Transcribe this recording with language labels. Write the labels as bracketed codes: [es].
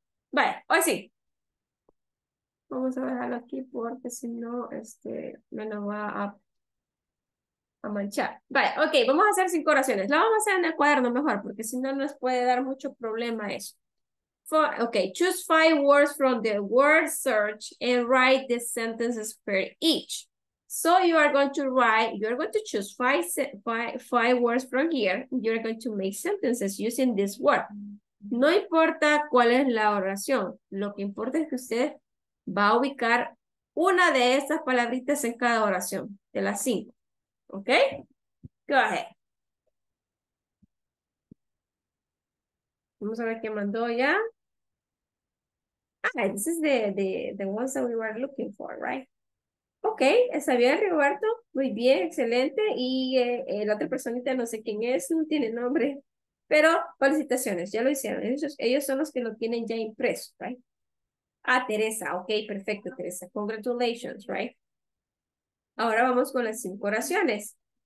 [es] Vale, hoy sí. Vamos a dejarlo aquí porque si no, me lo va a manchar. Vale, ok, vamos a hacer cinco oraciones. La vamos a hacer en el cuaderno mejor porque si no nos puede dar mucho problema eso. [en] Ok, choose five words from the word search and write the sentences per each. So you are going to write, you are going to choose five words from here. You are going to make sentences using this word. [es] No importa cuál es la oración, lo que importa es que usted va a ubicar una de estas palabritas en cada oración, de las cinco. ¿Ok? Go ahead. Vamos a ver qué mandó ya. [en] Ah, this is the ones that we were looking for, right? [es] Ok, está bien, Roberto. Muy bien, excelente. Y la otra personita, no sé quién es, no tiene nombre. Pero, felicitaciones, ya lo hicieron. Ellos son los que lo tienen ya impreso, right? Ah, Teresa, ok, perfecto, Teresa. [en] Congratulations, right? [es] Ahora vamos con las cinco oraciones.